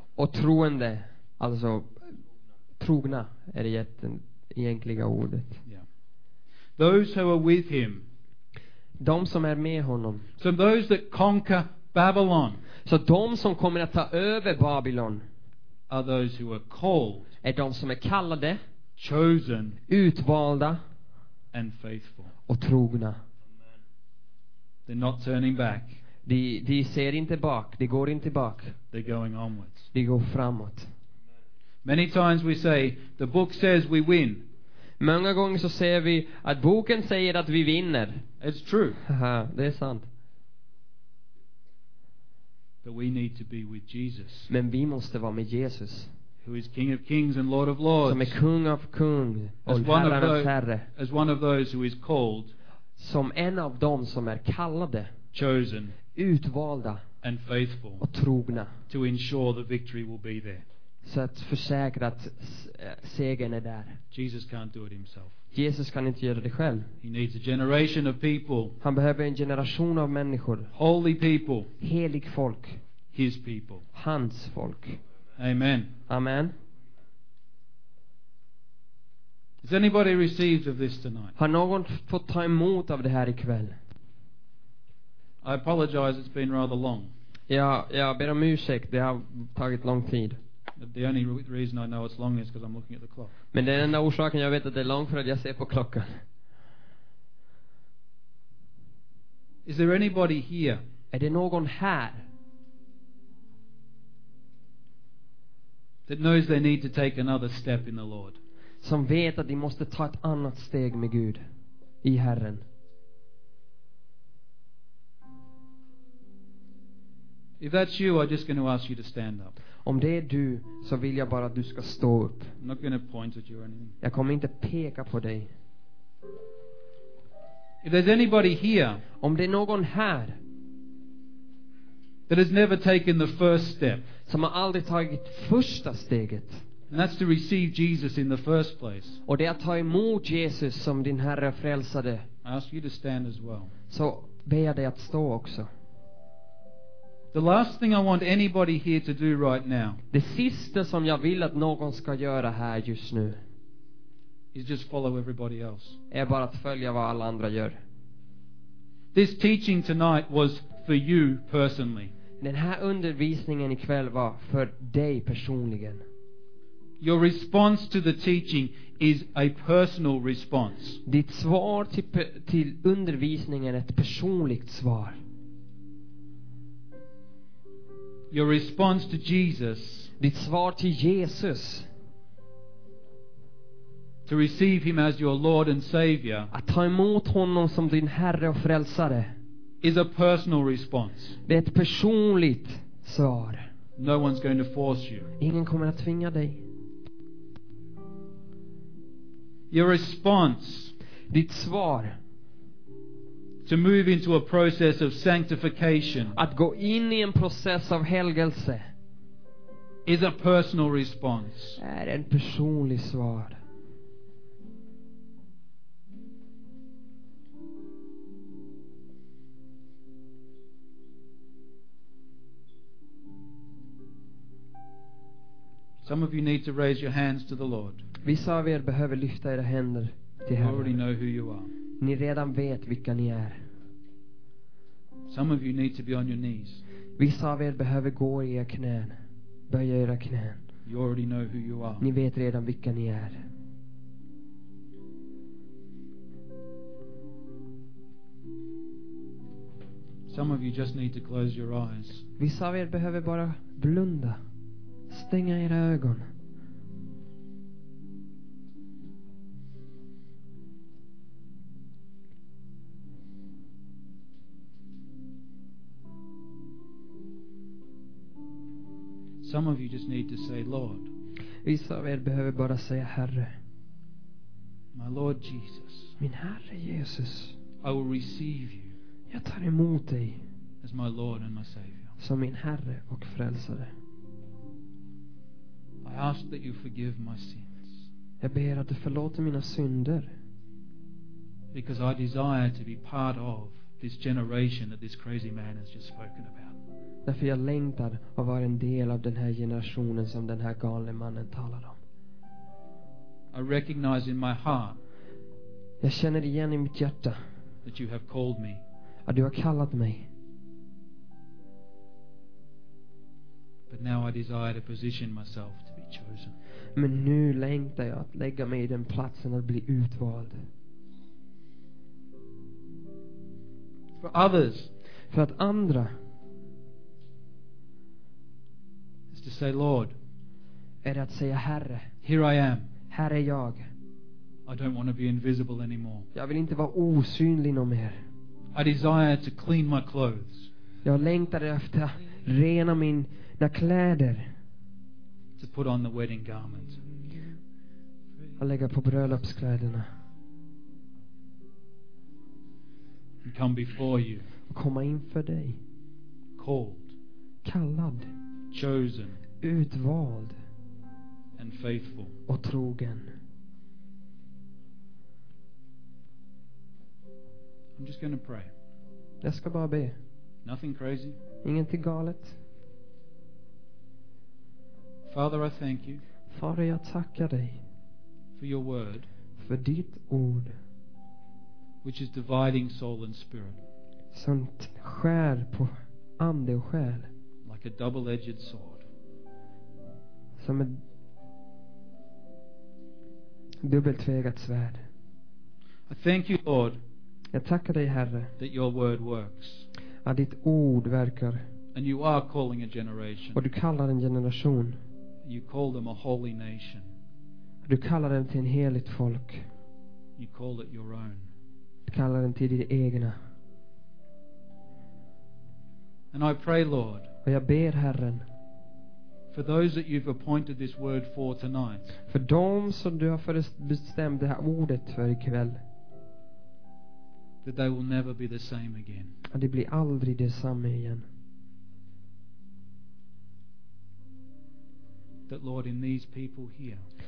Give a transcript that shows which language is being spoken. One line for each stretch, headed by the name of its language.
Swedish: Och troende, alltså trogna är det egentliga ordet.
English: Those who are with him.
Swedish: De som är med honom.
English: So those that conquer Babylon.
Swedish: Så de som kommer att ta över Babylon.
English: Are those who are called.
Swedish: Är de som är kallade.
English: Chosen.
Swedish: Utvalda.
English: And faithful.
Swedish: Och trogna.
English: They're not turning back.
Swedish: De ser inte bak. De går inte bak.
English: They're going onwards.
Swedish: De går framåt.
English: Many times we say the book says we win.
Swedish: Många gånger så ser vi att boken säger att vi vinner.
English: It's true.
Swedish: Det är sant.
English: But we need to be with Jesus.
Swedish: Men vi måste vara med Jesus.
English: Who is King of Kings and Lord of Lords.
Swedish: Som är kung av kung och herre av herre.
English: As one of those who is called.
Swedish: Som en av dem som är kallade.
English: Chosen.
Swedish: Utvalda.
English: And faithful.
Swedish: Och trogna.
English: To ensure the victory will be there.
Swedish: Så att försäkra att segern är där.
English: Jesus can't do it himself.
Swedish: Jesus kan inte göra det själv.
English: He needs a generation of people.
Swedish: Han behöver en generation av människor.
English: Holy people.
Swedish: Helig folk.
English: His people.
Swedish: Hans folk.
English: Amen.
Swedish: Amen.
English: Has anybody received of this tonight?
Swedish: Har någon fått ta emot av det här ikväll?
English: I apologize, it's been rather long.
Swedish: Ja, ber om ursäkt. Det har tagit lång tid.
English: The only reason I know it's long is because I'm looking at the clock.
Swedish: Men den enda orsaken jag vet att det är långt för att jag ser på klockan.
English: Is there anybody here?
Swedish: Är det någon här?
English: That knows they need to take another step in the Lord.
Swedish: Som vet att de måste ta ett annat steg med Gud i Herren.
English: If that's you, I'm just going to ask you to stand up.
Swedish: Om det är du så vill jag bara att du ska stå upp.
English: I'm not going to point at you or anything.
Swedish: Jag kommer inte peka på dig.
English: If there's anybody here.
Swedish: Om det är någon här.
English: That has never taken the first step.
Swedish: Som har aldrig tagit första steget.
English: And that's to receive Jesus in the first place.
Swedish: Och det är att ta emot Jesus som din Herre frälsade.
English: I ask you to stand as well.
Swedish: Så ber jag dig att stå också.
English: The last thing I want anybody here to do right now.
Swedish: Det sista som jag vill att någon ska göra här just nu.
English: Is just follow everybody else.
Swedish: Är bara att följa vad alla andra gör.
English: this teaching tonight was for you personally.
Swedish: Den här undervisningen ikväll var för dig personligen.
English: Your response to the teaching is a personal response.
Swedish: Ditt svar till undervisningen är ett personligt svar.
English: Your response to Jesus.
Swedish: Ditt svar till Jesus.
English: To receive him as your Lord and Savior.
Swedish: Att ta emot honom som din Herre och Frälsare.
English: Is a personal response.
Swedish: Det är ett personligt svar.
English: No one's going to force you.
Swedish: Ingen kommer att tvinga dig.
English: Your response.
Swedish: Ditt svar.
English: To move into a process of sanctification.
Swedish: Att gå in i en process av helgelse.
English: Is a personal response.
Swedish: Är en personlig svar.
English: Some of you need to raise your hands to the Lord.
Swedish: Vissa av er behöver lyfta era händer till Herren.
English: You already know who you are.
Swedish: Ni redan vet vilka ni är.
English: Some of you need to be on your knees.
Swedish: Vissa av er behöver gå i era knän. Böja era knän.
English: You already know who you are.
Swedish: Ni vet redan vilka ni är.
English: Some of you just need to close your eyes.
Swedish: Vissa av er behöver bara blunda. Stänga era ögon.
English: Some of you just need to say Lord.
Swedish: Vissa av er behöver bara säga Herre.
English: My Lord Jesus.
Swedish: Min Herre Jesus.
English: I will receive you.
Swedish: Jag tar emot dig.
English: As my Lord and my Savior.
Swedish: Som min Herre och Frälsare.
English: I ask that you forgive my sins.
Swedish: Jag ber att du förlåter mina synder.
English: Because I desire to be part of this generation that this crazy man has just spoken about.
Swedish: Därför jag längtar att vara en del av den här generationen som den här galne mannen talar om.
English: I recognize in my heart.
Swedish: Jag känner igen i mitt hjärta.
English: That you have called me.
Swedish: Att du har kallat mig.
English: But now I desire to position myself.
Swedish: Men nu längtar jag att lägga mig i den platsen att bli utvald.
English: For others,
Swedish: för att andra,
English: is to say Lord,
Swedish: är att säga Herre.
English: Here I am.
Swedish: Här är jag.
English: I don't want to be invisible anymore.
Swedish: Jag vill inte vara osynlig någon mer.
English: I desire to clean my clothes.
Swedish: Jag längtar efter att rena mina kläder.
English: To put on the wedding garment.
Swedish: Att lägga på bröllopskläderna.
English: And come before you.
Swedish: Och komma inför dig.
English: Called.
Swedish: Kallad.
English: Chosen.
Swedish: Utvald.
English: And faithful.
Swedish: Och trogen.
English: I'm just going to pray.
Swedish: Jag ska bara be.
English: Nothing crazy.
Swedish: Ingenting galet.
English: Father, I thank you.
Swedish: Fader, jag tackar dig.
English: For your word.
Swedish: För ditt ord.
English: Which is dividing soul and spirit.
Swedish: Som skär på ande och själ.
English: Like a double-edged sword.
Swedish: Som ett dubbeltvägat svärd.
English: I thank you, Lord.
Swedish: Jag tackar dig, Herre.
English: That your word works.
Swedish: Att ditt ord verkar.
English: And you are calling a generation.
Swedish: Och du kallar en generation.
English: You call them a holy nation.
Swedish: Du kallar dem till en heligt folk.
English: You call it your own.
Swedish: Du kallar dem till ditt egna.
English: And I pray, Lord.
Swedish: Och jag ber, Herren.
English: For those that you've appointed this word for tonight.
Swedish: För dem som du har bestämt det här ordet för ikväll.
English: That they will never be the same again.
Swedish: Att de blir aldrig detsamma igen.
English: That Lord in these people here.